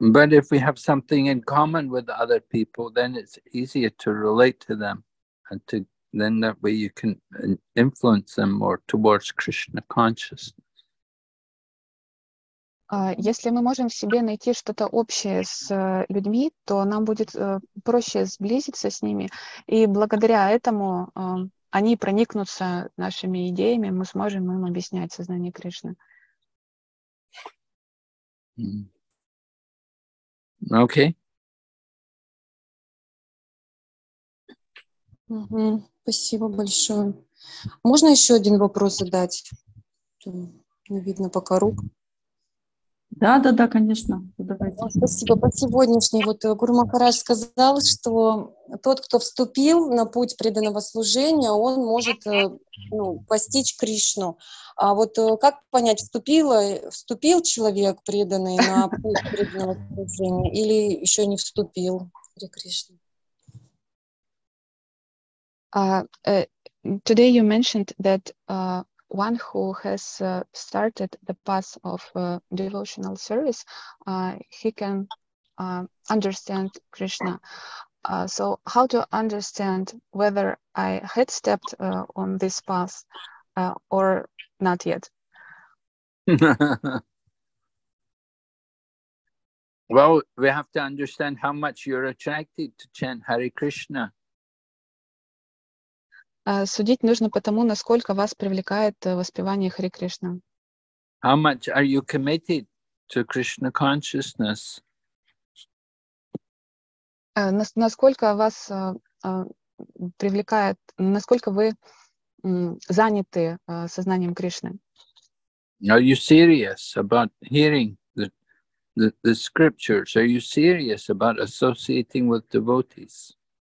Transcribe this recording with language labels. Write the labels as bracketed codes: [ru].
[en] But if we have something in common with other people, then it's easier to relate to them and to then that way you can influence them more towards Krishna consciousness. [ru] Если мы можем в себе найти что-то общее с людьми, то нам будет проще сблизиться с ними, и благодаря этому они проникнутся нашими идеями, мы сможем им объяснять сознание Кришны. [en] Okay. [ru] Mm-hmm. Спасибо большое. Можно еще один вопрос задать? Видно пока рук. Да, конечно. Давайте. Спасибо. По сегодняшней вот Гуру Махарадж сказал, что тот, кто вступил на путь преданного служения, он может постичь Кришну. А вот как понять, вступил человек преданный на путь преданного служения или еще не вступил при Кришне? [en] Today you mentioned that one who has started the path of devotional service, he can understand Krishna. So how to understand whether I had stepped on this path or not yet? Well, we have to understand how much you're attracted to chant Hare Krishna. [ru] Судить нужно по тому, насколько вас привлекает воспевание Хари Кришна. [en] How much are you committed to Krishna consciousness? [ru] Насколько вас привлекает, насколько вы заняты сознанием Кришны? [en] Are you serious about hearing the scriptures? Are you serious about associating with devotees?